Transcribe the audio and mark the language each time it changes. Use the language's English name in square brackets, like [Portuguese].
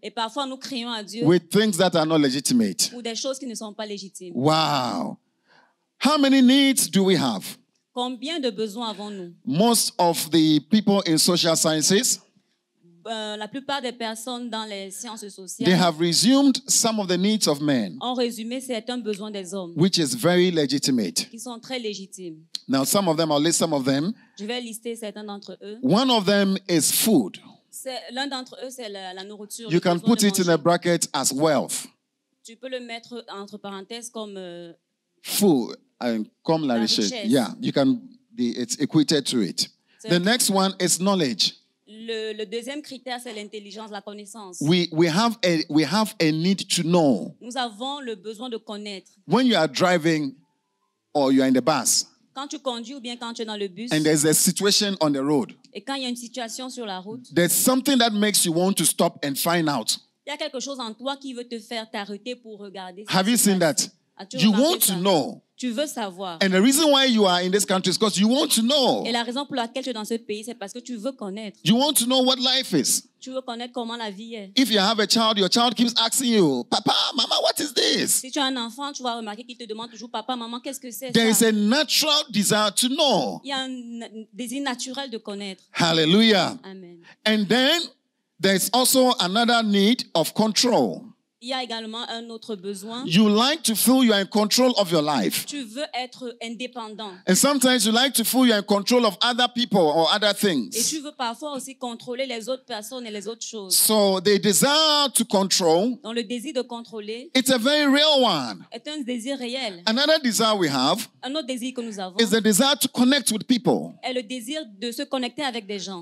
[French] Et parfois nous crions à Dieu. [English] With things that are not legitimate. [French] Ou des choses qui ne sont pas légitimes. [English] Wow. How many needs do we have? [French] Combien de besoins avons-nous? [English] Most of the people in social sciences, [French] la plupart des personnes dans les sciences sociales, [English] they have resumed some of the needs of men, [French] ont résumé certains besoins des hommes, [English] which is very legitimate. [French] Qui sont très légitimes. [English] Now, some of them, I'll list some of them. [French] Je vais lister certains d'entre eux. [English] One of them is food. [French] L'un d'entre eux, c'est la nourriture. [English] You can put it in a bracket as wealth. [French] Tu peux le mettre entre parenthèses comme [English] food. And [French] comme la richesse. [English] Yeah, you can be, it's equated to it. The next one is knowledge. [French] Le deuxième critère, c'est l'intelligence, la connaissance. [English] We have a need to know. [French] Nous avons le besoin de connaître. [English] When you are driving or you are in the bus. [French] Quand tu conduis ou bien quand tu es dans le bus. [English] And there's a situation on the road. [French] Et quand il y a une situation sur la route. [English] There's something that makes you want to stop and find out. [French] Il y a quelque chose en toi qui veut te faire t'arrêter pour regarder. [English] Have you seen that? You want to know. [French] Tu veux savoir. [English] And the reason why you are in this country is because you want to know. [French] Et la raison pour laquelle tu es dans ce pays, c'est parce que tu veux connaître. [English] You want to know what life is. [French] Tu veux connaître comment la vie est. [English] If you have a child, your child keeps asking you, Papa, Mama, what is this? [French] Si tu as un enfant, tu vas remarquer qu'il te demande toujours, Papa, Maman, qu'est-ce que c'est? [English] There is a natural desire to know. [French] Il y a un désir naturel de connaître. [English] Hallelujah. Amen. And then there is also another need of control. [French] Il y a également un autre besoin. [English] You like to feel you are in control of your life. [French] Tu veux être indépendant. [English] And sometimes you like to feel you are in control of other people or other things. [French] Et tu veux parfois aussi contrôler les autres personnes et les autres choses. [English] So the desire to control. [French] Donc le désir de contrôler. [English] It's a very real one. [French] Est un désir réel. [English] Another desire we have. [French] Un autre désir que nous avons. [English] Is the desire to connect with people. [French] Est le désir de se connecter avec des gens.